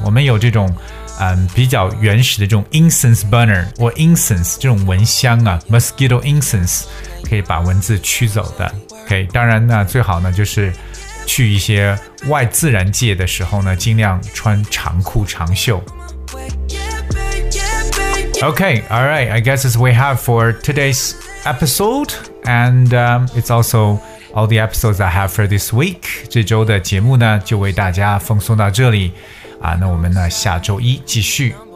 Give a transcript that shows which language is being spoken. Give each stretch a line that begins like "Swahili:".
Chinese: 我们有这种比较原始的这种
English: incense burner or incense
Chinese: 这种蚊香啊，
English: mosquito incense
Chinese: 可以把蚊子驱走的。 OK, 当然呢最好呢就是去一些外自然界的时候呢尽量穿长裤长袖。
English: OK, alright, I guess that's what we have for today's episode, and it's also all the episodes I have for this week.
Chinese: 这周的节目呢就为大家奉送到这里啊，那我们呢下周一继续。